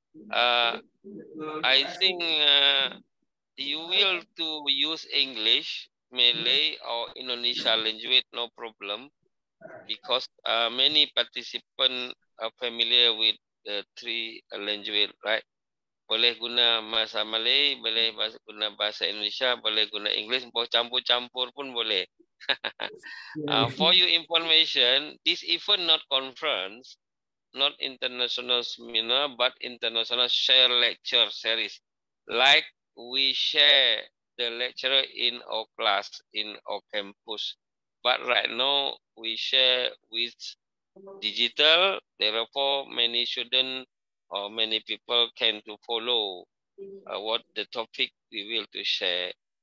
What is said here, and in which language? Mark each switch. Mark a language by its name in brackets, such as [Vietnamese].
[English] I think you will to use English, Malay, or Indonesia language, no problem, because many participants are familiar with the three language, right? [Malay] Boleh guna bahasa Malay, boleh guna bahasa Indonesia, boleh guna English, boleh campur-campur pun boleh. [English] For your information, this event not conference, not international seminar, but international share lecture series. Like we share the lecturer in our class, in our campus. But right now, we share with digital, therefore many students or many people can to follow what the topic we will to share.